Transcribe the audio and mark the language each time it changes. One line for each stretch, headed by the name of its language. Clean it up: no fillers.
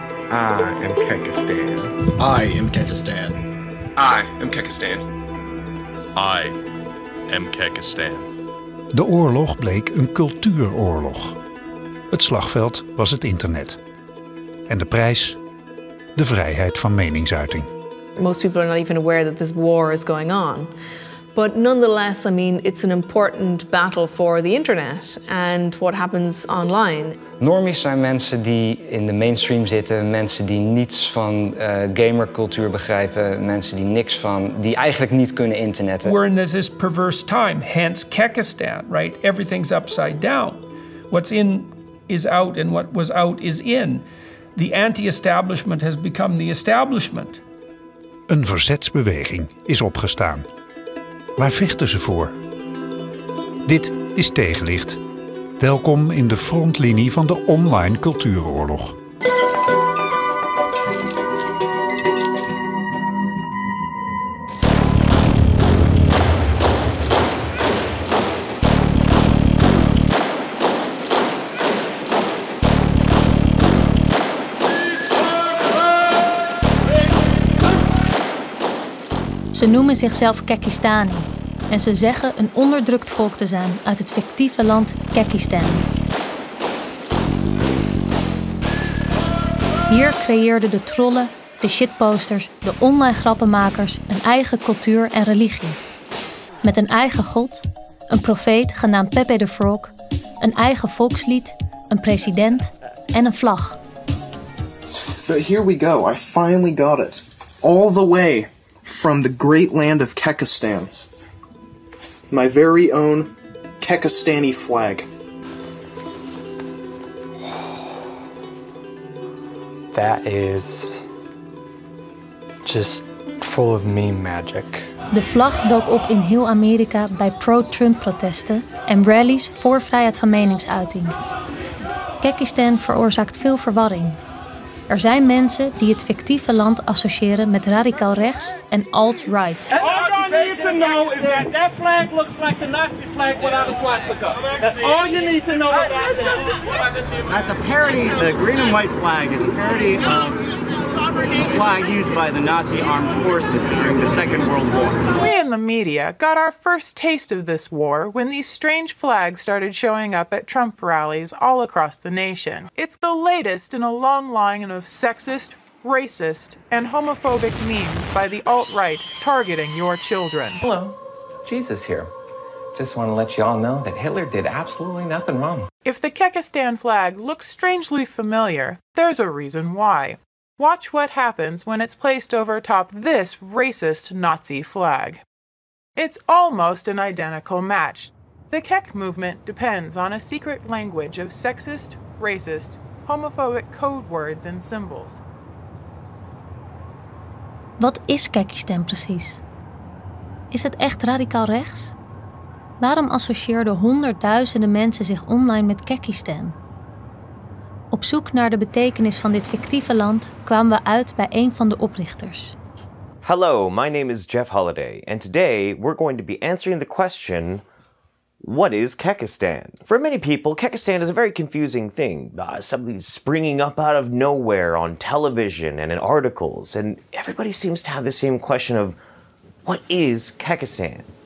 English: I am Kekistan. I am Kekistan. I am Kekistan. I am Kekistan.
Dutch: De oorlog bleek een cultuuroorlog. Het slagveld was het internet. En de prijs? De vrijheid van meningsuiting.
English: Most people are not even aware that this war is going on. But nonetheless, I mean, it's an important battle for the internet and what happens online.
Dutch: Normies zijn mensen die in de mainstream zitten, mensen die niets van gamercultuur begrijpen, mensen die niks van, die eigenlijk niet kunnen internetten.
English: We're in this perverse time, hence Kekistan, right? Everything's upside down. What's in is out and what was out is in. The anti-establishment has become the establishment.
Dutch: Een verzetsbeweging is opgestaan. Waar vechten ze voor? Dit is Tegenlicht. Welkom in de frontlinie van de online cultuuroorlog. Ze noemen zichzelf Kekistani en ze zeggen een onderdrukt volk te zijn uit het fictieve land Kekistan. Hier creëerden de trollen, de shitposters, de online grappenmakers een eigen cultuur en religie. Met een eigen god, een profeet genaamd Pepe the Frog, een eigen volkslied, een president en een vlag.
English: But here we go, I finally got it. All the way. From the great land of Kekistan. My very own Kekistani flag. That is just full of meme magic.
Dutch: De vlag dook op in heel Amerika bij pro-Trump protesten en rallies voor vrijheid van meningsuiting. Kekistan veroorzaakt veel verwarring. Er zijn mensen die het fictieve land associëren met radicaal rechts en alt-right.
English: All I need to know is that flag looks like the Nazi flag without a swastika. All you need to know is that. That's a parody. The green and white flag is a parody of the flag used by the Nazi armed forces during the Second World War. We in the media got our first taste of this war when these strange flags started showing up at Trump rallies all across the nation. It's the latest in a long line of sexist, racist, and homophobic memes by the alt-right targeting your children. Hello, Jesus here. Just want to let you all know that Hitler did absolutely nothing wrong. If the Kekistan flag looks strangely familiar, there's a reason why. Watch what happens when it's placed over top this racist Nazi flag. It's almost an identical match. The Kek movement depends on a secret language of sexist, racist, homophobic code words and symbols.
Dutch: Wat is Kekistan precies? Is het echt radicaal rechts? Waarom associeerden honderdduizenden mensen zich online met Kekistan? Op zoek naar de betekenis van dit fictieve land kwamen we uit bij een van de oprichters.
English: Hello, my name is Jeff Holiday, and today we're going to be answering the question, what is Kekistan? For many people, Kekistan is a very confusing thing, suddenly springing up out of nowhere on television and in articles, and everybody seems to have the same question of, what is Kekistan?